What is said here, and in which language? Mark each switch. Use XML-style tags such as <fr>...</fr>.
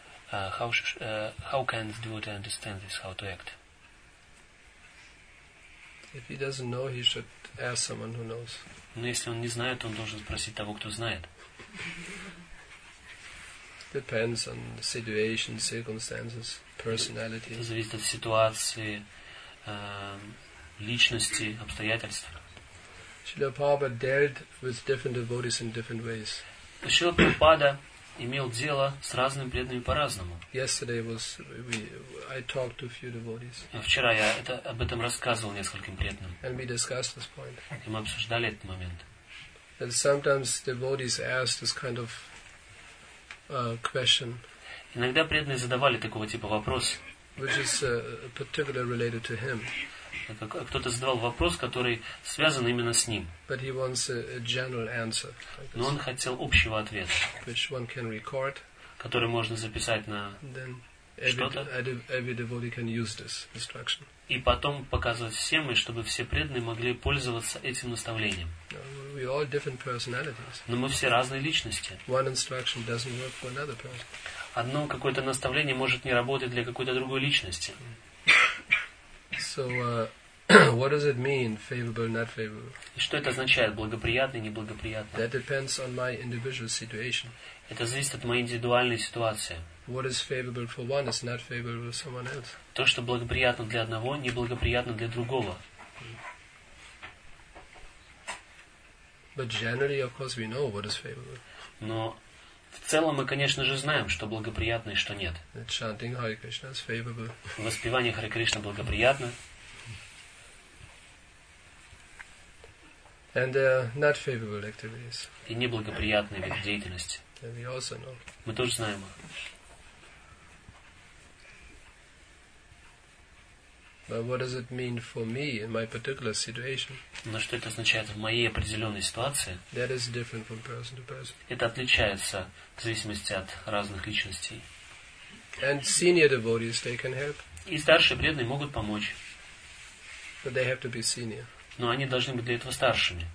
<en>How can the devotee understand this, how to act? If he doesn't know, he should ask someone who knows.</en> <ru>Но если он не знает, он должен спросить того, кто знает.</ru> <en>Depends on the situation, circumstances, personality.</en> <ru>Это зависит от ситуации, личности, обстоятельств.</ru> <en>Srila Prabhupada dealt with different devotees in different ways.</en> <ru>Srila Prabhupada имел дело с разными преданными по-разному.</ru> <en>Yesterday was I talked to a few devotees.</en> <ru>Вчера я об этом рассказывал нескольким преданным.</ru> <en>And we discussed this point.</en> <ru>И мы обсуждали этот момент.</ru> <en>And sometimes devotees asked this kind of question.</en> <ru>Иногда преданные задавали такого типа вопрос.</ru> <en>Which is particularly related to him.</en> <ru>Кто-то задавал вопрос, который связан именно с ним.</ru> <en>But he wants a general answer,</en> <ru>но он хотел общего ответа,</ru> <en>which one can record,</en> <ru>который можно записать на что-то, и потом показывать всем, и чтобы все преданные могли пользоваться этим наставлением.</ru> <en>We all different personalities.</en> <ru>Но мы все разные личности.</ru> <en>One instruction doesn't work for another person.</en> <ru>Одно какое-то наставление может не работать для какой-то другой личности.</ru> <en>So, what does it mean, favorable, not favorable?</en> <ru>И что это означает, благоприятный, неблагоприятный?</ru> <en>That depends on my individual situation.</en> <ru>Это зависит от моей индивидуальной ситуации.</ru> <en>What is favorable for one is not favorable for someone else.</en> <ru>То, что благоприятно для одного, неблагоприятно для другого.</ru> <en>But generally, of course, we know what is favorable.</en> <ru>Но в целом мы, конечно же, знаем, что благоприятно и что нет.</ru> <en>Chanting Hare Krishna is favorable.</en> <ru>Воспевание Харе Кришна благоприятно.</ru> <en>And not favorable activities.</en> <ru>И неблагоприятные виды деятельности.</ru> <en>And we also know.</en> <ru>Мы тоже знаем их.</ru> <en>But what does it mean for me in my particular situation?</en> <ru>Но что это означает в моей определенной ситуации?</ru> <en>That is different from person to person.</en> <ru>Это отличается в зависимости от разных личностей.</ru> <en>And senior devotees, they can help.</en> <ru>И старшие преданные могут помочь.</ru> <en>But they have to be senior.</en> <ru>Но они должны быть для этого старшими.</ru>